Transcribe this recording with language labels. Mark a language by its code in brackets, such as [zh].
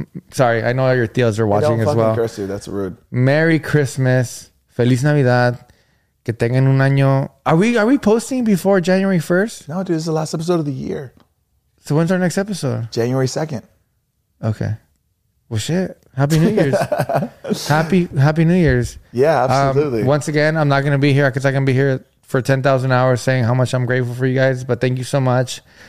[en] Sorry, I know all your tios are watching as well. Don't fucking curse you. That's rude. Merry Christmas. [es] Feliz Navidad. Que tengan un año. [en] Are we posting before January 1st? No, dude, it's the last episode of the year. So when's our next episode? January 2nd. Okay. Well, shit. Happy New Year's. happy New Year's. Yeah, absolutely. Once again, I'm not going to be here because I can be here for 10,000 hours saying how much I'm grateful for you guys, but thank you so much.